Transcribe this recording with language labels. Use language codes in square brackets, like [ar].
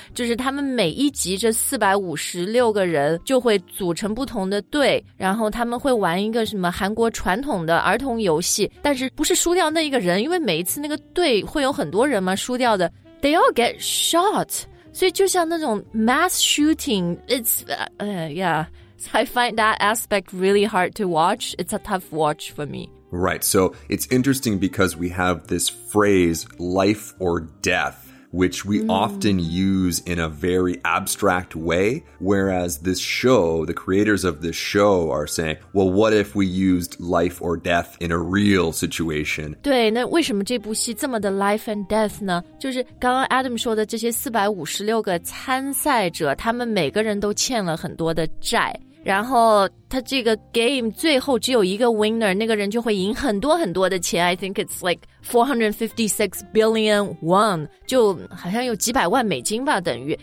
[zh] 就是他们每一集这456个人就会组成不同的队，然后他们会玩一个什么韩国传统的儿童游戏，但是不是输掉那一个人，因为每一次那个队会有很多人嘛，输掉的 [en] They all get shot. [zh] 所以就像那种 [en] mass shooting, it's, yeah. So I find that aspect really hard to watch. It's a tough watch for me. Right. So it's interesting because we have this phrase, life or death, which we、mm. often use in a very abstract way. Whereas this show, the creators of this show are saying, well, what if we used life or death in a real situation? [zh] 对，那为什么这部戏这么的 life and death 呢？就是刚刚 Adam 说的这些456个参赛者，他们每个人都欠了很多的债。然后他这个 game 最后只有一个 winner， 那个人就会赢很多很多的钱。 [en] I think it's like 456 billion won， [zh] 就好像有几百万美金吧，等于。